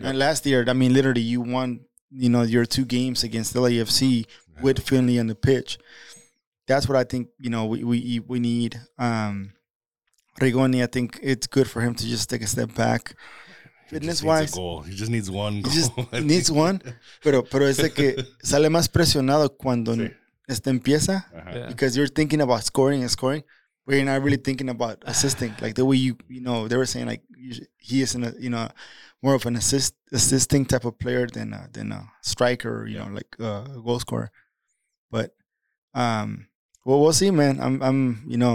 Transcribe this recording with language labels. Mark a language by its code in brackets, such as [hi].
[en] Yeah. And last year, I mean, literally, you won, you know, your two games against LAFC with Finley on the pitch. That's what I think. You know, we need Rigoni. I think it's good for him to just take a step back. fitness wise. Needs a goal. He just needs one goal. He just needs one. [es] Pero es de que sale más presionado cuando este empieza. [en] Because you're thinking about scoring and scoring, but you're not really thinking about assisting. Like the way you know, they were saying like he is in a, you know, more of an assisting type of player than a striker, you know, like a goal scorer. But well, we'll see, man. I'm you know.